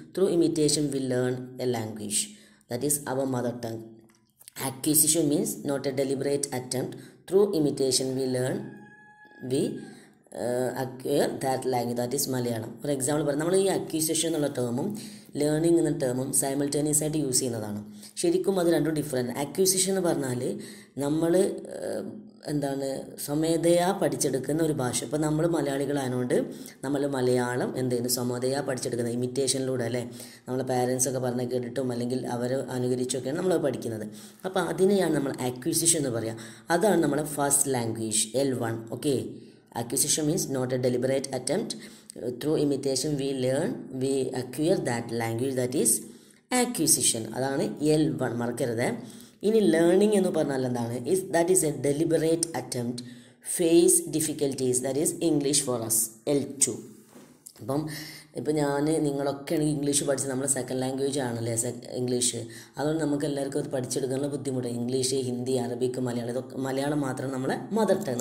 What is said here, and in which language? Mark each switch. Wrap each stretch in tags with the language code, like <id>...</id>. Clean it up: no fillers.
<en>Through imitation, we learn a language. That is our mother tongue. Acquisition means not a deliberate attempt. Through imitation, we learn, we acquire that language. That is Malayalam. For example, we use acquisition as a term.</en> <ml>Learning എന്ന ടേമും simultaneous ആയിട്ട് use ചെയ്യുന്നതാണ്. ശരിക്കും അത് രണ്ടും different. Acquisition എന്ന് പറഞ്ഞാൽ നമ്മൾ എന്താണ് സ്വമേധയാ പഠിച്ചെടുക്കുന്ന ഒരു ഭാഷ. ഇപ്പോൾ നമ്മൾ മലയാളികളായതുകൊണ്ട് നമ്മൾ മലയാളം എന്ത് ചെയ്യുന്നു, സ്വമേധയാ പഠിച്ചെടുക്കുന്ന ഇമിറ്റേഷനിലൂടെ അല്ലേ, നമ്മളെ പാരൻസൊക്കെ പറഞ്ഞ് കേട്ടിട്ടും അല്ലെങ്കിൽ അവർ അനുകരിച്ചൊക്കെയാണ് നമ്മൾ പഠിക്കുന്നത്. അപ്പോൾ അതിനെയാണ് നമ്മൾ അക്വിസിഷൻ എന്ന് പറയുക. അതാണ് നമ്മുടെ first language L1.</ml> <en>Okay, acquisition means not a deliberate attempt. Through imitation we learn, we acquire that language, that is acquisition.</en> <ml>അതാണ് L1, മറക്കരുത്. ഇനി ലേണിംഗ് എന്ന് പറഞ്ഞാൽ എന്താണ്?</ml> <en>Is that is a deliberate attempt face difficulties, that is English for as L2.</en> <ml>അപ്പം ഇപ്പം ഞാൻ നിങ്ങളൊക്കെയാണ് English പഠിച്ചത്, നമ്മുടെ സെക്കൻഡ് ലാംഗ്വേജ് ആണല്ലേ ഇംഗ്ലീഷ്. അതുകൊണ്ട് നമുക്ക് എല്ലാവർക്കും അത് പഠിച്ചെടുക്കാനുള്ള ബുദ്ധിമുട്ട്. ഇംഗ്ലീഷ്, ഹിന്ദി, അറബിക്ക്, മലയാളം, ഇതൊക്കെ മലയാളം മാത്രം നമ്മളെ മദർ ടങ്.</ml>